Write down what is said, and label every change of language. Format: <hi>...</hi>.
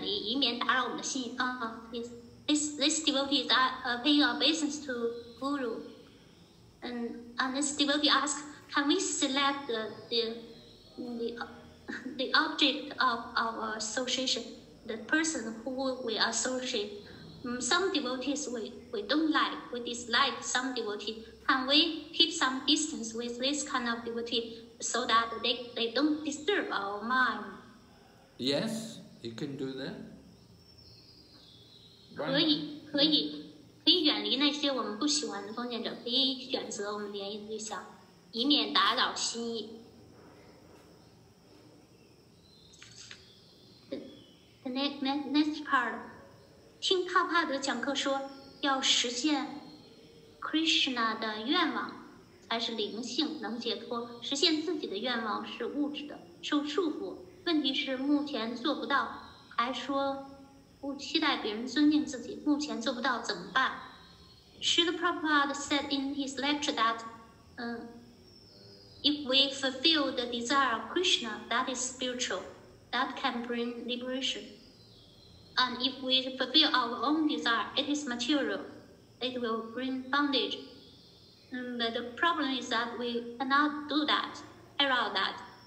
<en>This devotee is paying obeisance to Guru, and this devotee asks, can we select the object of our association, the person who we associate? Some devotees we don't like, we dislike some devotee. Can we keep some distance with this kind of devotee so that they don't disturb our mind? Yes, you can do that.</en> <zh>可以远离那些我们不喜欢的奉献者，可以选择我们联谊对象，以免打扰心意。</zh> <en>next part.</en> <zh>听帕帕德讲课说，要实现 Krishna 的愿望才是灵性能解脱，实现自己的愿望是物质的，受束缚。问题是目前做不到，还说不期待别人尊敬自己，目前做不到怎么办？</zh> <en>Srila Prabhupada said in his lecture that, if we fulfill the desire of Krishna, that is spiritual, that can bring liberation. And if we fulfill our own desire, it is material. It will bring bondage. But the problem is that we cannot do that, allow that.</en>